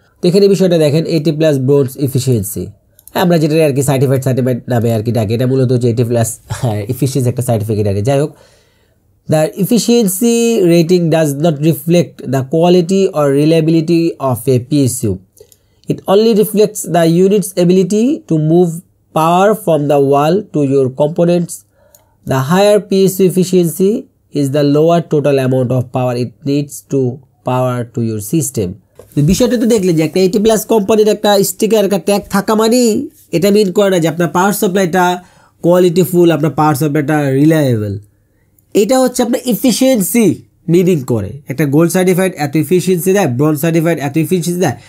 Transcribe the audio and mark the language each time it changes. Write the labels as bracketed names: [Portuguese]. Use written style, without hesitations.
[Bangla] তো এখানে বিষয়টা দেখেন, 80+ ব্রঞ্জ এফিসিয়েন্সি, হ্যাঁ আমরা যেটা আর কি সার্টিফাইড সার্টিফাইড নামে আর কি ডাকি, এটা মূলত হচ্ছে 80+ এফিসিয়েন্সি একটা সার্টিফিকেট আর কি। [English] যাই হোক, the efficiency rating does not reflect the quality or reliability of a PSU, it only reflects the unit's ability to move power from the wall to your components. The higher PSU efficiency is the lower total amount of power it needs to power to your system. [Bangla] তো বিষয়টা তো দেখলেন যে একটা 80+ কোম্পানির একটা sticker একটা tag থাকা মানেই এটা মিন করে না যে আপনার পাওয়ার সাপ্লাইটা কোয়ালিটি ফুল, আপনার পাওয়ার সাপ্লাইটা রিলায়েবল। এটা হচ্ছে আপনার ইফিসিয়েন্সি মিনিং করে, একটা গোল্ড সার্টিফাইড এত ইফিসিয়েন্সি দেয়, ব্রঞ্জ সার্টিফাইড এত ইফিসিয়েন্সি দেয়।